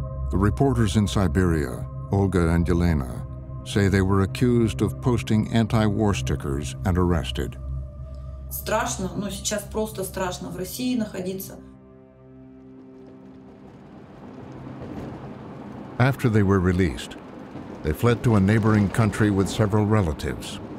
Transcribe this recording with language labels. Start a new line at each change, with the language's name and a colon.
English: The reporters in Siberia, Olga and Yelena, say they were accused of posting anti-war stickers and arrested.
Russian: Страшно, ну сейчас просто страшно в России находиться.
English: After they were released, they fled to a neighboring country with several relatives.